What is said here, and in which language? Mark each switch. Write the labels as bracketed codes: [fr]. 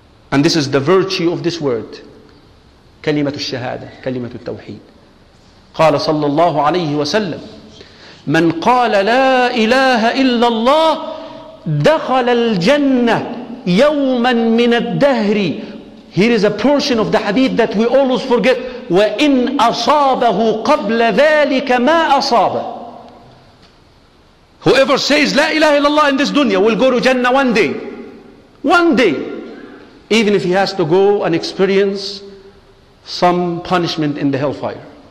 [en] And this is the virtue of this word. [ar] كلمة الشهادة, كلمة التوحيد. قال صلى الله عليه وسلم من قال لا إله إلا الله دخل الجنة يوما من الدهر. [en] Here is a portion of the hadith that we always forget. [ar] وَإِنْ أَصَابَهُ قَبْلَ ذَٰلِكَ مَا أَصَابَ. [en] Whoever says [ar] لا إله إلا الله [en] in this dunya will go to Jannah one day. One day. Even if he has to go and experience some punishment in the hellfire.